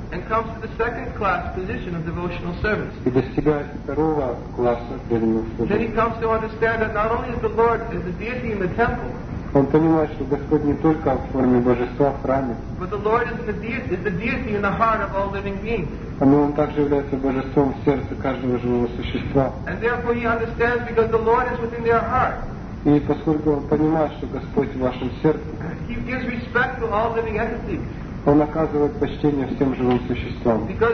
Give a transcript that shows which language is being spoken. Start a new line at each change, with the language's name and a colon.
English: and comes to the second class position of devotional service,
Russian: и достигает второго класса преданного служения,
English: then he comes to understand that not only is the Lord is the deity in the temple,
Russian: он понимает, что Господь не только в форме божества в храме,
English: but the Lord is the deity in the heart of all living beings.
Russian: Но он также является божеством в сердце каждого живого существа.
English: And therefore he understands because the Lord is within their heart.
Russian: И поскольку он понимает, что Господь в вашем сердце,
English: he gives respect to all living entities.
Russian: Он оказывает почтение всем живым существам.